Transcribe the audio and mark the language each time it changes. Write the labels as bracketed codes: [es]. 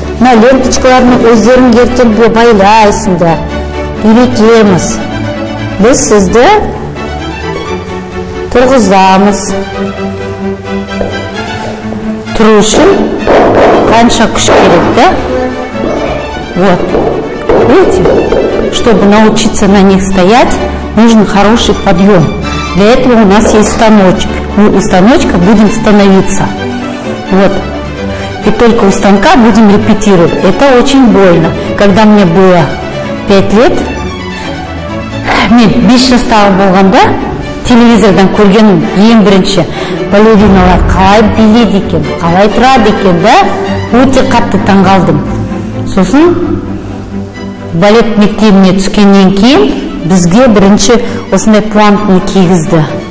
[kk] Мына ленточкалардың өздерін ертең байлайсыңдар. Үйретеміз. Біз сізді тұрғызамыз. Тұру үшін қанша күш керек, да? [ru] Вот. Видите, чтобы научиться на них стоять, нужен хороший подъем. Для этого у нас есть станочек. Мы у станочка будем становиться. Вот. И только у станка будем репетировать. Это очень больно. Когда мне было 5 лет, мне 5 лет стало [kk] болған, да? Телевизордан көрген ең бірінші балериналар қалай биледі екен, қалай тұрады екен, да? Өте қатты таңғалдым. Сосын балет мектебіне түскеннен кейін бізге бірінші осындай планкны кигізді.